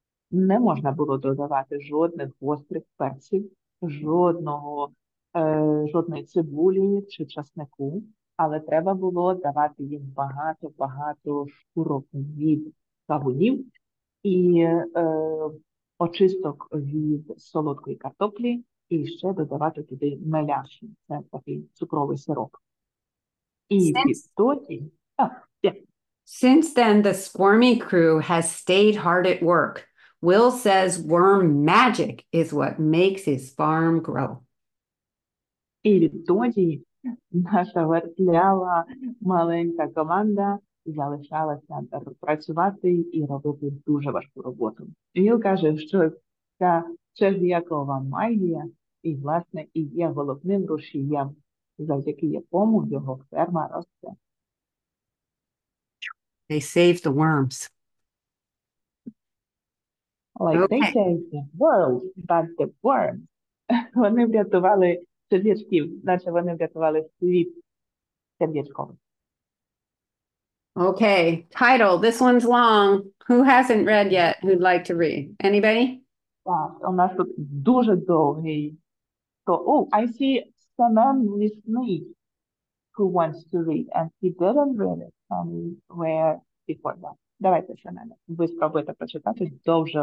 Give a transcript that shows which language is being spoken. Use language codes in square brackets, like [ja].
[uk] Не можна було додавати жодних гострих перців, жодної цибулі чи чеснику, але треба було давати їм багато-багато шкурок від кавунів і очисток від солодкої картоплі. І ще додавати туди меляшу, це такий цукровий сироп. І відтоді... [en] Since then, the squirmy crew has stayed hard at work. Will says worm magic is what makes his farm grow. [uk] І відтоді наша вертлява маленька команда залишалася працювати і робити дуже важку роботу. Він каже, що ця черв'якова магія і, власне, і є головним рушієм, завдяки якому його ферма росте. [en] They save the worms. Like, okay. They save the world, but the worms. [uk] Вони врятували черв'ячків, наче вони врятували світ черв'ячковий. [en] Okay, title. This one's long. Who hasn't read yet? Who'd like to read? Anybody? [uk] Так, у нас тут дуже довгий. [en] So, oh, I see Saman listening who wants to read, and he didn't read it somewhere before that. [uk] Давайте, Саман, ви спробуйте прочитати довже